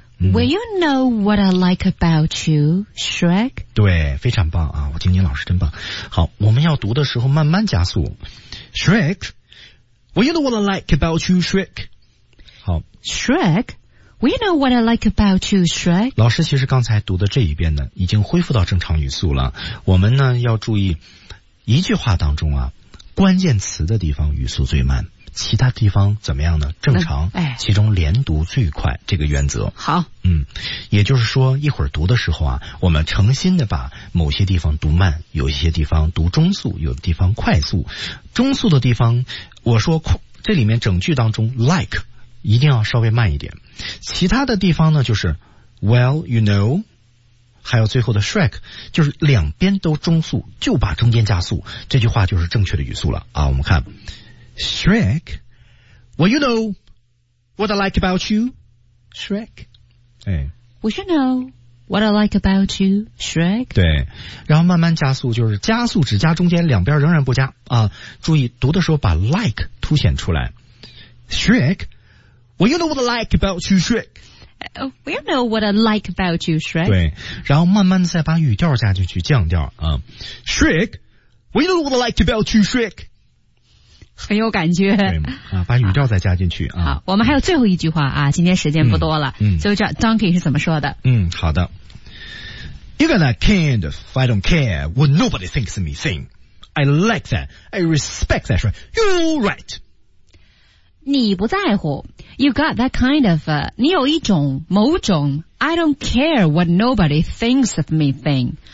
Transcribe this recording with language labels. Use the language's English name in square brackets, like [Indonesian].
[English] Will you know what I like about you, Shrek? [Chinese] 对，非常棒啊，我晶晶老师真棒。好，我们要读的时候慢慢加速。 [English] Shrek, will you know what I like about you, Shrek? [Chinese] 好。 [English] Shrek, will you know what I like about you, Shrek? [Chinese] 老师其实刚才读的这一遍呢，已经恢复到正常语速了。我们呢，要注意一句话当中啊，关键词的地方语速最慢。其他地方怎么样呢？正常，其中连读最快，这个原则。好，也就是说，一会儿读的时候啊，我们诚心的把某些地方读慢，有一些地方读中速，有的地方快速。中速的地方，我说这里面整句当中 like 一定要稍微慢一点。其他的地方呢，就是 [English] well you know， [Chinese] 还有最后的 Shrek， 就是两边都中速，就把中间加速，这句话就是正确的语速了啊。我们看。 [English] Shrek, will you know what I like about you, Shrek? 哎，Will you know what I like about you, Shrek? [Chinese] 对，然后慢慢加速，就是加速只加中间，两边仍然不加啊。注意读的时候把 like 凸显出来。 [English] Shrek, will you know what I like about you, Shrek? Will you know what I like about you, Shrek? [Chinese] 对，然后慢慢再把语调加进去，降调啊。 [English] Shrek, will you know what I like about you, Shrek? [Chinese] 很有感觉，对啊，把语调再加进去啊。好，我们还有最后一句话啊，今天时间不多了，就这 Donkey 是怎么说的？好的。 [English] You got that kind of, I don't care what nobody thinks of me thing. I like that, I respect that. You're right. [Chinese] 你不在乎。 [English] You got that kind of, [Chinese] 你有一种某种 [English] I don't care what nobody thinks of me thing.